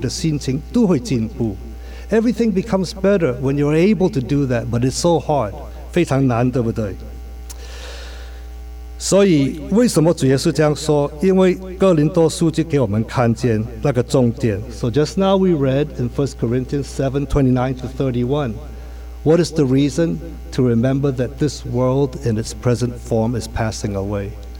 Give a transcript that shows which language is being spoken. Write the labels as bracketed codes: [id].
[zh] 当我们把主耶稣放高一点，我们的生命已经有进步了。你没有感觉过？如果你委身在神的面前，你爱他更多，你的事情、你的态度、你的心情都会进步。 [en] Everything becomes better when you're able to do that, but it's so hard. [zh] 非常难，对不对？所以为什么主耶稣这样说？因为哥林多书就给我们看见那个重点。 [en] So just now we read in 1 Corinthians 7:29 to 31. What is the reason to remember that this world in its present form is passing away?